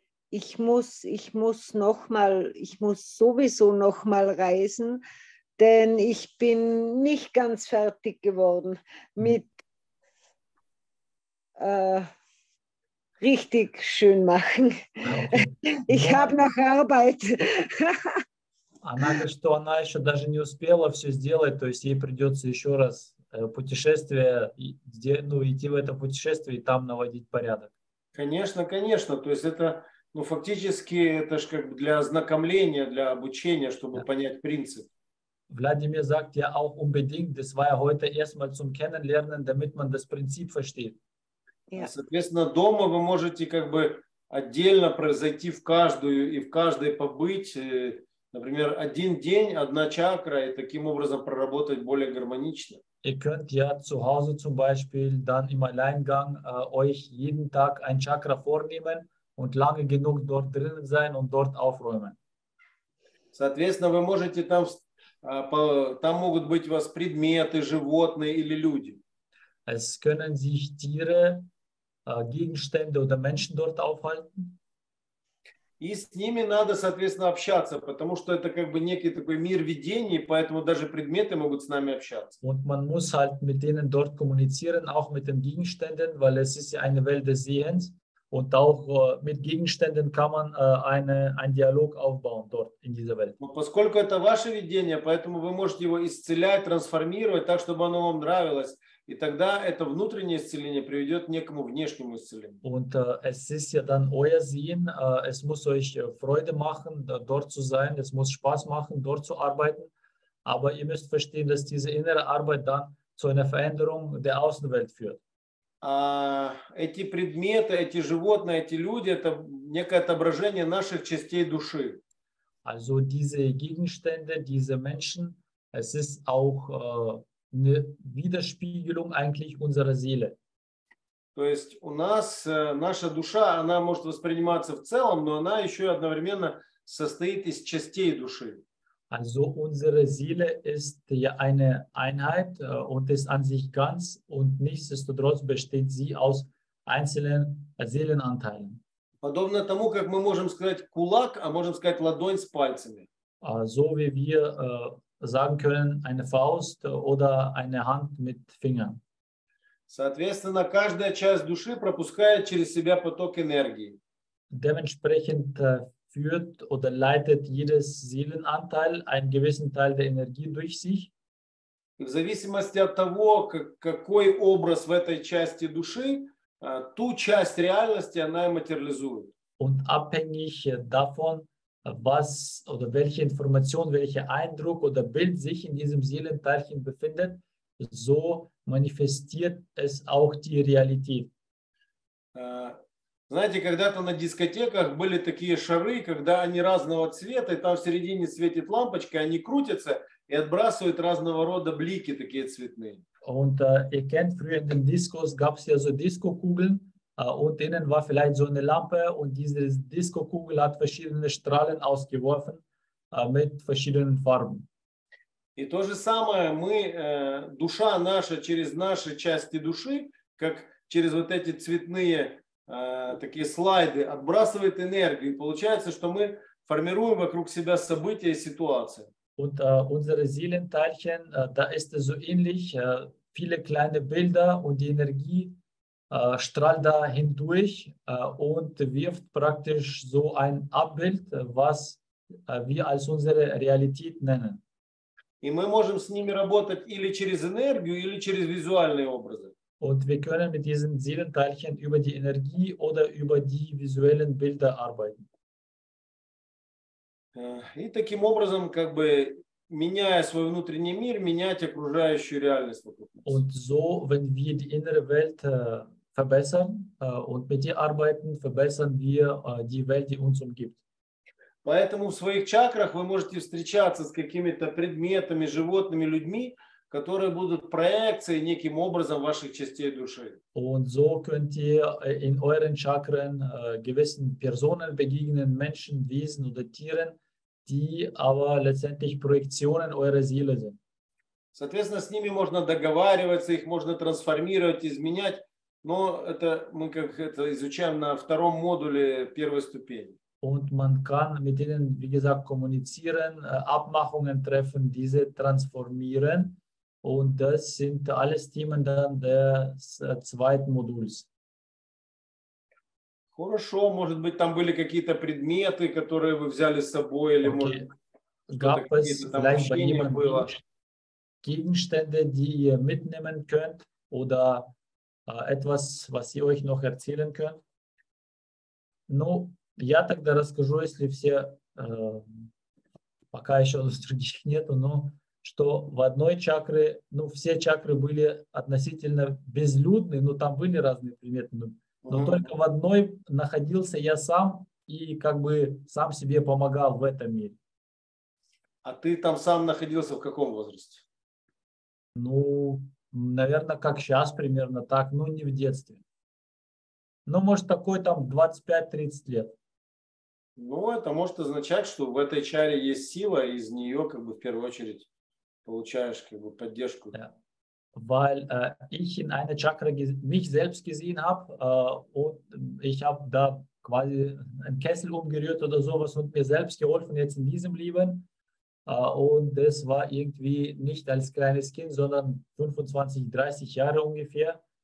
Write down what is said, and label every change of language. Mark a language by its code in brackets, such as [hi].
[de] Ich muss sowieso noch mal reisen, denn ich bin nicht ganz fertig geworden mit richtig schön machen. Okay. Ich habe noch Arbeit. [ru] Она говорит, что она еще даже не успела все сделать, то есть ей придется еще раз путешествие, ну, идти в это путешествие и там наводить порядок. Конечно, конечно. То есть это, ну, фактически, это же как бы для ознакомления, для обучения, чтобы понять принцип. [de] Владимир sagt ja auch unbedingt, das war ja heute erstmal zum Kennenlernen, damit man das Prinzip versteht. Yeah. [ru] Соответственно, дома вы можете как бы отдельно произойти в каждую и в каждой побыть. Например, один день, одна чакра, и таким образом проработать более гармонично. [de] И könnt ja zu Hause zum Beispiel dann im Alleingang euch jeden Tag ein Chakra vornehmen und lange genug dort drin sein und dort aufräumen. [ru] Соответственно, вы можете там, там могут быть у вас предметы, животные или люди. [de] Es können sich Tiere, Gegenstände oder Menschen dort aufhalten. [ru] И с ними надо, соответственно, общаться, потому что это как бы некий такой мир видений, поэтому даже предметы могут с нами общаться. [de] Und man muss halt mit denen dort kommunizieren, auch mit den Gegenständen, weil es ist ja eine Welt des Sehens. Und auch mit Gegenständen kann man einen Dialog aufbauen dort in dieser Welt. [ru] Но поскольку это ваше видение, поэтому вы можете его исцелять, трансформировать так, чтобы оно вам нравилось. И тогда это внутреннее исцеление приведет к некому внешнему исцелению. [de] Und es ist ja dann euer Sehen, es muss euch Freude machen, dort zu sein, es muss Spaß machen, dort zu arbeiten. Aber ihr müsst verstehen, dass diese innere Arbeit dann zu einer Veränderung der Außenwelt führt. [ru] Эти предметы, эти животные, эти люди – это некое отображение наших частей души. [de] Also diese Gegenstände, diese Menschen, es ist auch eine Widerspiegelung eigentlich unserer Seele. [ru] То есть у нас наша душа, она может восприниматься в целом, но она еще одновременно состоит из частей души. [de] Also unsere Seele ist ja eine Einheit und ist an sich ganz und nichtsdestotrotz besteht sie aus einzelnen Seelenanteilen. [ru] Подобно тому, как мы можем сказать кулак, а можем сказать ладонь с пальцами. [de] So wie wir sagen können, eine Faust oder eine Hand mit Fingern. [ru] Соответственно, каждая часть души пропускает через себя поток энергии. [de] Dementsprechend führt oder leitet jedes Seelenanteil einen gewissen Teil der Energie durch sich. [ru] В зависимости от того, какой образ в этой части души, ту часть реальности она и материализует. [de] Und abhängig davon, was oder welche Information, welcher Eindruck oder Bild sich in diesem Seelenteilchen befindet, so manifestiert es auch die Realität. [ru] Знаете, когда-то на дискотеках были такие шары, когда они разного цвета, и там в середине светит лампочка, они крутятся и отбрасывают разного рода блики такие цветные. [de] Und ihr kennt, früher in den Discos gab es ja so Disco-Kugeln, und innen war vielleicht so eine Lampe und diese Disco-Kugel hat verschiedene Strahlen ausgeworfen mit verschiedenen Farben. [ru] И то же самое мы, душа наша через наши части души, как через вот эти цветные такие слайды, отбрасывает энергию. И получается, что мы формируем вокруг себя события и ситуации. [de] Und unsere Seelenteilchen, da ist es so ähnlich, viele kleine Bilder und die Energie strahlt da hindurch und wirft praktisch so ein Abbild, was wir als unsere Realität nennen. [ru] И мы можем с ними работать или через энергию, или через визуальные образы. [de] Und wir können mit diesen Seelenteilchen über die Energie oder über die visuellen Bilder arbeiten. [ru] И таким образом, как бы, меняя свой внутренний мир, менять окружающую реальность вокруг нас. [de] Und so, wenn wir die innere Welt verbessern und mit ihr arbeiten, verbessern wir die Welt, die uns umgibt. [ru] Поэтому в своих чакрах вы можете встречаться с какими-то предметами, животными, людьми, которые будут проекцией неким образом ваших частей души. [de] Und so könnt ihr in euren Chakren gewissen Personen begegnen, Menschen, Wesen oder Tieren, die aber letztendlich Projektionen eurer Seele sind. [ru] Соответственно, с ними можно договариваться, их можно трансформировать, изменять, но это мы как это изучаем на втором модуле первой ступени. [de] Und man kann mit ihnen, wie gesagt, kommunizieren, Abmachungen treffen, diese transformieren. Und das sind alles Themen dann des zweiten Moduls. [ru] Хорошо, может быть, там были какие-то предметы, которые вы взяли с собой, или okay. Может, [de] gab es vielleicht bei jemandem Gegenstände, die ihr mitnehmen könnt, oder etwas, was ihr euch noch erzählen könnt? [ru] Ну, я тогда расскажу, если все, пока еще других нету, но что в одной чакре, ну, все чакры были относительно безлюдны, но там были разные предметы, но mm-hmm. только в одной находился я сам и как бы сам себе помогал в этом мире. А ты там сам находился в каком возрасте? Ну, наверное, как сейчас примерно так, но не в детстве. Ну, может, такой там 25-30 лет. Ну, это может означать, что в этой чаре есть сила, и из нее как бы в первую очередь получаешь как бы поддержку. [de] Weil ich in einer Chakra mich selbst gesehen habe, und ich habe da quasi einen Kessel umgerührt oder sowas und mir selbst geholfen jetzt in diesem Leben. Und das war irgendwie nicht als kleines Kind, sondern 25-30 Jahre ungefähr.